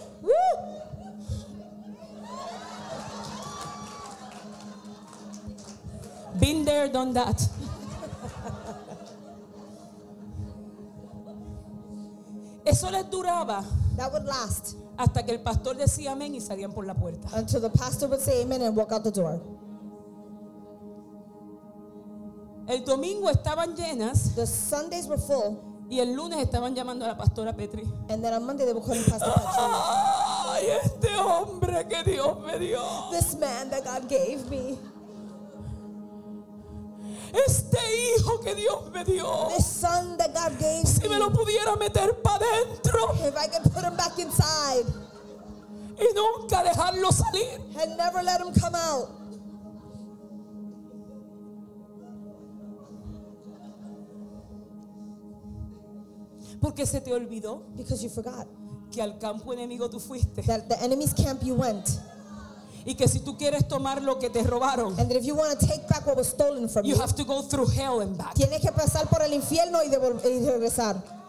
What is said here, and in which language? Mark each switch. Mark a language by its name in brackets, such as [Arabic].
[English] Woo. Been there, done that. [Spanish] Eso les duraba. [English] That would last. [Spanish] Hasta que el pastor decía amén y salían por la puerta. [English] Until the pastor would say amen and walk out the door. [Spanish] El domingo estaban llenas. [English] The Sundays were full. [Spanish] Y el lunes estaban llamando a la pastora Petri. [English] And then on Monday they were calling Pastor Petri. [Spanish] Ay, este hombre que Dios me dio. [English] This man that God gave me. [Spanish] Este hijo que Dios me dio. [English] This son that God gave me. [Spanish] Si me lo pudiera meter pa dentro. [English] If I could put him back inside. [Spanish] Y nunca dejarlo salir. [English] And never let him come out. [Spanish] Porque se te olvidó. [English] Because you forgot. [Spanish] Que al campo enemigo tú fuiste. [English] That the enemy's camp you went. [Spanish] Y que si tú quieres tomar lo que te robaron. [English] And if you want to take back what was stolen from you. You have to go through hell and back. [Spanish] Tienes que pasar por el infierno y regresar.